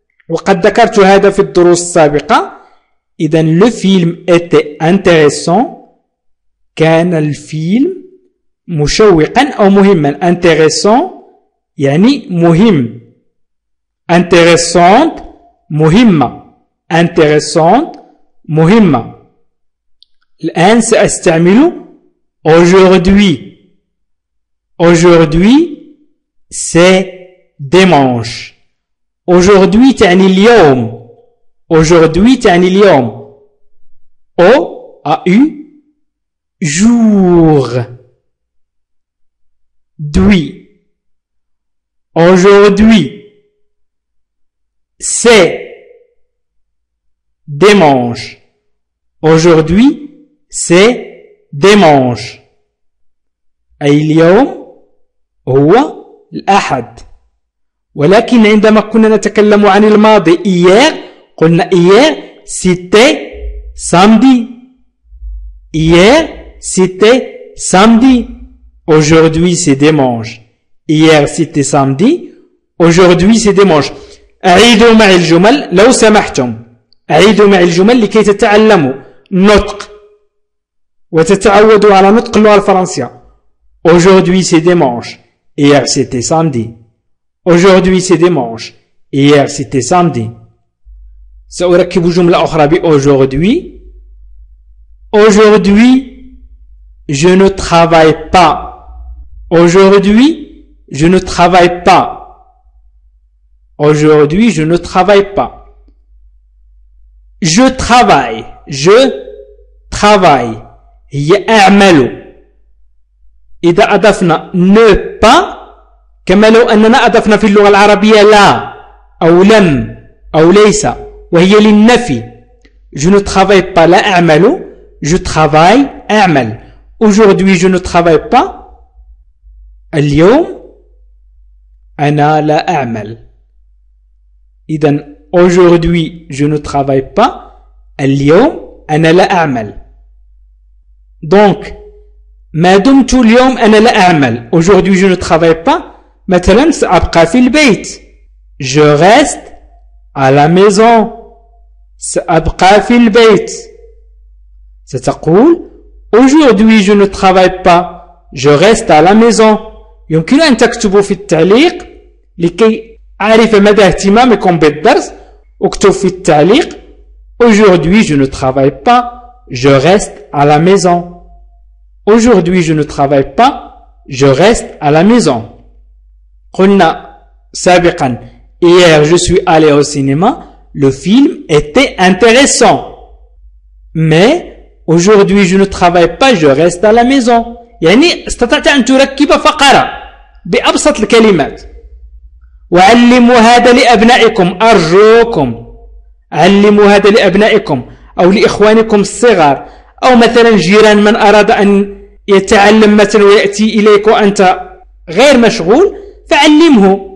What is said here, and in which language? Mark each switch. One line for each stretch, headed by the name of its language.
Arabic: وقد ذكرت هذا في الدروس السابقة. إذن لو فيلم إتي انتيريسون، كان الفيلم مشوقا أو مهما. انتيريسون يعني مهم، انتيريسونت مهمة.
French: intéressante, muhimma.
Arabic: الآن سأستعمل aujourd'hui.
French: Aujourd'hui, c'est dimanche.
Arabic: Aujourd'hui تعني اليوم. Aujourd'hui تعني اليوم. O a eu jour. Dui.
French: Aujourd'hui, c'est dimanche. Aujourd'hui, c'est dimanche.
Arabic: أي اليوم هو الأحد. ولكن عندما كنا نتكلم عن الماضي hier قلنا hier c'était samedi.
French: Hier c'était samedi. Aujourd'hui c'est dimanche. Hier c'était samedi. Aujourd'hui c'est dimanche.
Arabic: عيدوا معي الجمل لو سمحتم. عيدوا معي الجمل لكي تتعلموا نطق وتتعودوا على نطق اللغة الفرنسية.
French: Aujourd'hui c'est dimanche. Hier c'était samedi. Aujourd'hui c'est dimanche. Hier c'était samedi.
Arabic: سأركب جملة أخرى بـ aujourd'hui.
French: Aujourd'hui je ne travaille pas. Aujourd'hui je ne travaille pas. Aujourd'hui je ne travaille pas. Je travaille. Je travaille.
Arabic: يعمل. إذا أضفنا ne pas كما لو أننا أضفنا في اللغة العربية لا أو لم أو ليس وهي للنفي.
French: Je ne travaille pas. لا أعمل. Je travaille. أعمل. Aujourd'hui je ne travaille pas.
Arabic: اليوم أنا لا أعمل.
French: إذا aujourd'hui je ne travaille pas.
Arabic: اليوم أنا لا أعمل. Donc, ما دمت اليوم أنا لا أعمل.
French: Aujourd'hui je ne travaille pas. مثلا سأبقى في البيت. Je reste à la maison.
Arabic: سأبقى في البيت.
French: ستقول Aujourd'hui je ne travaille pas. Je reste à la maison.
Arabic: يمكن أن تكتبوا في التعليق لكي أعرف مدى اهتمامكم بالدرس.
French: اكتب في التعليق Aujourd'hui je ne travaille pas. Je reste à la maison. Aujourd'hui je ne travaille pas. Je reste à la maison. قلنا سابقا Hier je suis allé au cinéma. Le film était intéressant. Mais aujourd'hui je ne travaille pas. Je reste à la maison.
Arabic: يعني استطعت أن تركب فقرة بأبسط الكلمات. وعلموا هذا لأبنائكم. أرجوكم علموا هذا لأبنائكم أو لإخوانكم الصغار أو مثلا جيران من أراد أن يتعلم مثلا ويأتي إليك وأنت غير مشغول فعلمه.